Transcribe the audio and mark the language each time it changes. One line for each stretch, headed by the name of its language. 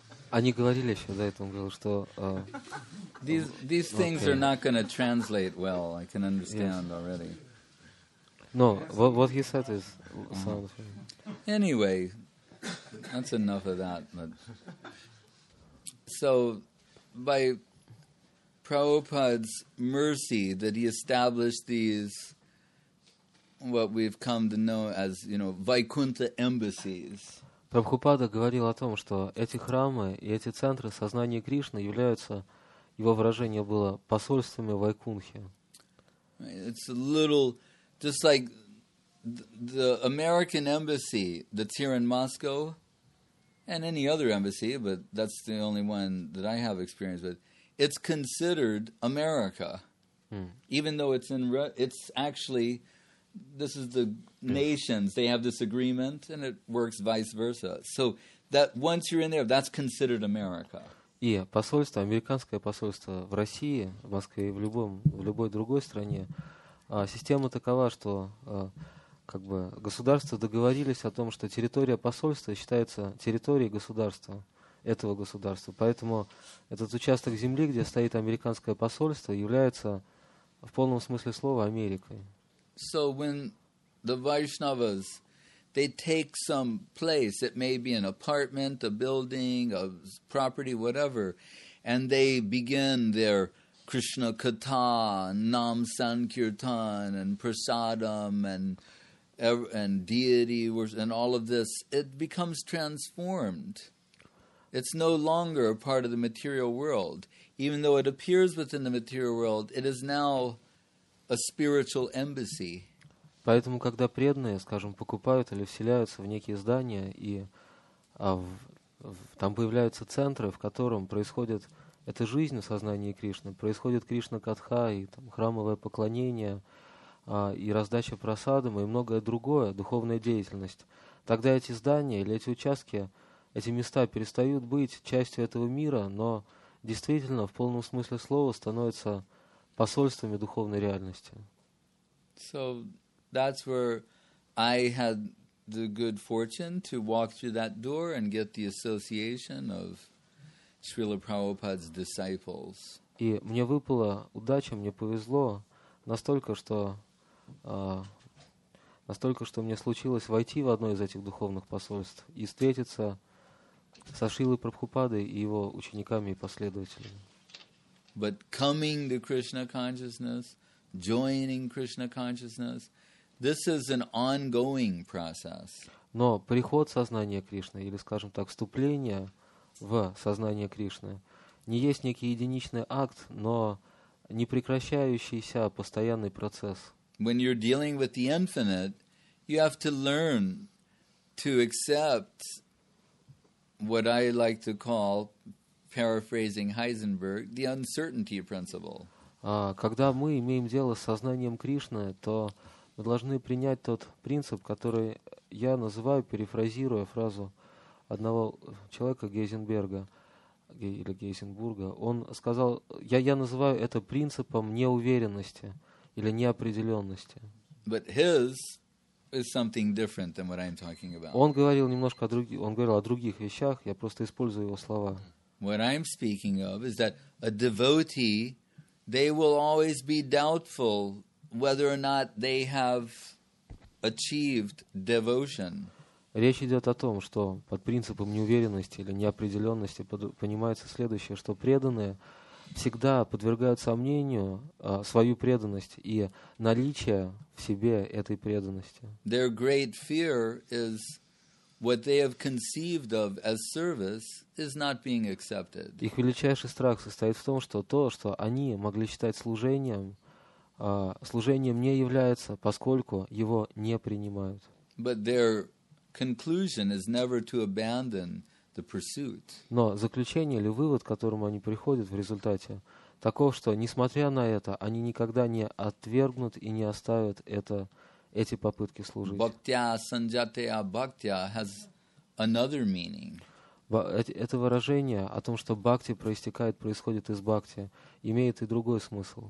Russian: Они говорили еще до этого, он говорил, что
English: these things okay. are not going to translate well. I can understand yes. already. No, what he said is sound. Uh-huh. Anyway, that's enough of that. But so, by Prabhupada's mercy, that he established these what we've come to know as, you know, Vaikuntha embassies.
Russian: Прабхупада говорил о том, что эти храмы и эти центры сознания Кришны являются, его выражение было, посольствами Вайкунхи.
English: It's a little, just like the American embassy that's here in Moscow, and any other embassy, but that's the only one that I have experience with, it's considered America, even though it's actually... This is the nations. They have this agreement, and it works vice versa. So that once you're in there, that's considered America.
Russian: И посольство, американское посольство в России, в Москве и в любой другой стране, система такова, что как бы государства договорились о том, что территория посольства считается территорией государства, этого государства. Поэтому этот участок земли, где стоит американское посольство, является в полном смысле слова Америкой.
English: So when the Vaishnavas, they take some place, it may be an apartment, a building, a property, whatever, and they begin their Krishna Katha, Nam Sankirtan, and Prasadam, and deity worship, and all of this, it becomes transformed. It's no longer a part of the material world. Even though it appears within the material world, it is now... A spiritual embassy.
Russian: Поэтому, когда преданные, скажем, покупают или вселяются в некие здания, и там появляются центры, в котором происходит эта жизнь в сознании Кришны, происходит Кришна-катха, и там храмовое поклонение, и раздача прасадама, и многое другое, духовная деятельность, тогда эти здания или эти участки, эти места перестают быть частью этого мира, но действительно, в полном смысле слова, становятся... посольствами духовной реальности.
English: So that's where I had the good fortune to walk through that door and get the association of Srila Prabhupada's disciples.
Russian: И мне выпала удача, мне повезло настолько, что Настолько, что мне случилось войти в одно из этих духовных посольств и встретиться со Шрилой Прабхупадой и его учениками и последователями.
English: But coming to Krishna consciousness, joining Krishna consciousness, this is an ongoing process.
Russian: Но приход сознания Кришны, или, скажем так, вступление в сознание Кришны, не есть некий единичный акт, но непрекращающийся постоянный процесс.
English: When you're dealing with the infinite, you have to learn to accept what I like to call, paraphrasing Heisenberg, the uncertainty principle.
Russian: Когда мы имеем дело с сознанием Кришны, то мы должны принять тот принцип, который я называю, перефразируя фразу одного человека Гейзенберга, или Гейзенбурга. Он сказал, я называю это принципом неуверенности или неопределенности.
English: But his is something different than what I'm talking about.
Russian: Он говорил немножко о других, он говорил о других вещах, я просто использую его слова.
English: What I'm speaking of is that a devotee, they will always be doubtful whether or not they have achieved devotion.
Russian: Речь идет о том, что под принципом неуверенности или неопределенности понимается следующее, что преданные всегда подвергают сомнению свою преданность и наличие в себе этой преданности.
English: Their great fear is what they have conceived of as service is not being accepted.
Russian: Их величайший страх состоит в том, что то, что они могли считать служением, служением не является, поскольку его не принимают.
English: But their conclusion is never to abandon the pursuit.
Russian: Но заключение или вывод, к которому они приходят в результате, таков, что, несмотря на это, они никогда не отвергнут и не оставят это, эти попытки служить.
English: Bhaktya sanjataya bhaktya has another meaning.
Russian: Это выражение о том, что бхакти проистекает, происходит из бхакти, имеет и другой смысл.